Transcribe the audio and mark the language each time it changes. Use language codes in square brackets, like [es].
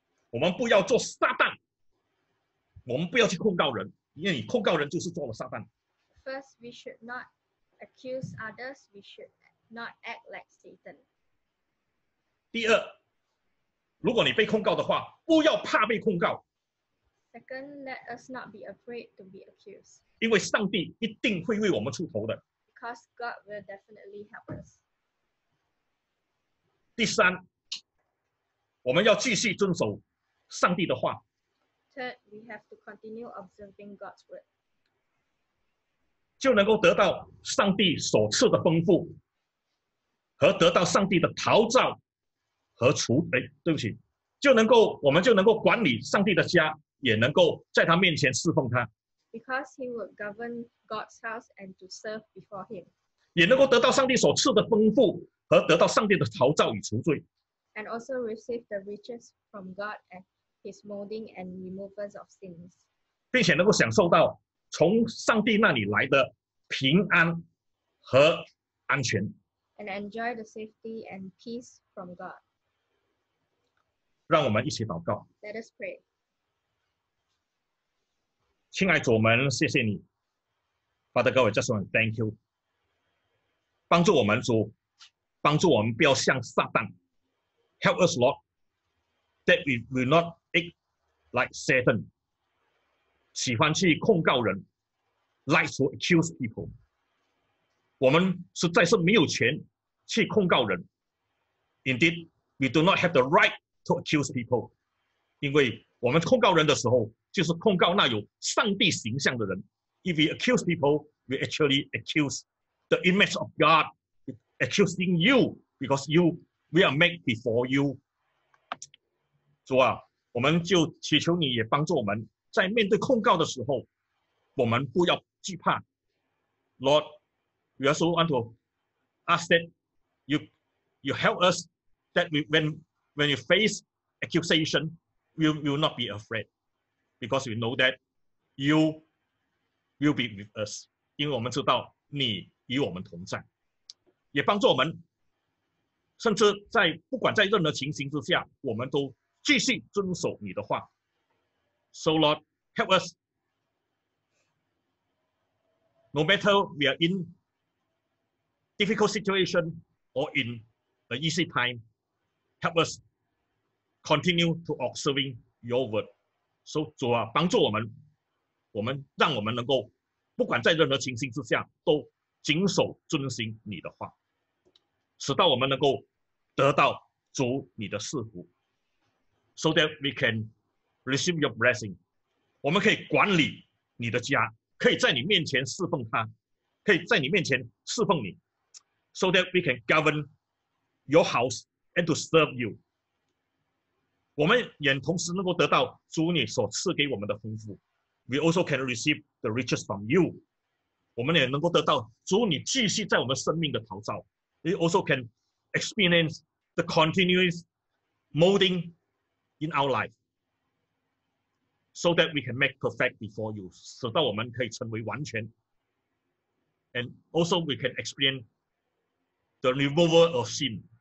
[zh] 我们不要做撒旦，我们不要去控告人，因为你控告人就是做了撒旦。 [en] First, we should not accuse others. We should not act like Satan. [zh] 第二，如果你被控告的话，不要怕被控告。 [en] Second, let us not be afraid to be accused. [zh] 因为上帝一定会为我们出头的。 [en] Because God will definitely help us. [zh] 第三，我们要继续遵守。上帝的话。 [en] Third, we have to continue observing God's word. [zh] 就能够得到上帝所赐的丰富，和得到上帝的陶造和除，哎，对不起，就能够我们就能够管理上帝的家，也能够在他面前侍奉他。 [en] Because he would govern God's house and to serve before him. [zh] 也能够得到上帝所赐的丰富和得到上帝的陶造与赎罪。 [en] And also receive the riches from God and his molding and removals of sins. [zh] 并且能够享受到从上帝那里来的平安和安全。 [en] And enjoy the safety and peace from God. [zh] 让我们一起祷告。 [en] Let us pray. [zh] 亲爱主，我们谢谢你 [en] ，Father God, we just want to thank you. [zh] 帮助我们主，帮助我们不要像撒旦 [en] ，Help us, Lord, that we will not act like Satan. 喜欢去控告人 ，like to accuse people. [zh] 我们实在是没有权去控告人。 [en] Indeed, we do not have the right to accuse people, [zh] 因为我们控告人的时候。就是控告那有上帝形象的人。 [en] If we accuse people, we actually accuse the image of God, accusing you, because you, we are made before you. [zh] 主啊，我们就祈求你也帮助我们，在面对控告的时候，我们不要惧怕。 [en] Lord, we also want to ask that you help us that we, when you face accusation, we will not be afraid. Because we know that you will be with us. [zh] 因为我们知道你与我们同在。也帮助我们甚至在不管在任何情形之下我们都继续遵守你的话。 [en] So Lord, help us. No matter we are in difficult situation or in an easy time, help us continue to observing your word. [zh] So, 主啊，帮助我们，我们让我们能够不管在任何情形之下都谨守遵行你的话，使到我们能够得到主你的赐福。 [en] So that we can receive your blessing. [zh] 我们可以管理你的家，可以在你面前侍奉他，可以在你面前侍奉你。 [en] So that we can govern your house and to serve you. [zh] 我们也同时能够得到主你所赐给我们的丰富。 [en] We also can receive the riches from you. [zh] 我们也能够得到主你继续在我们生命的陶造。 [en] We also can experience the continuous molding in our life. So that we can make perfect before you. [zh] 使到我们可以成为完全。 [en] And also we can experience the removal of sin.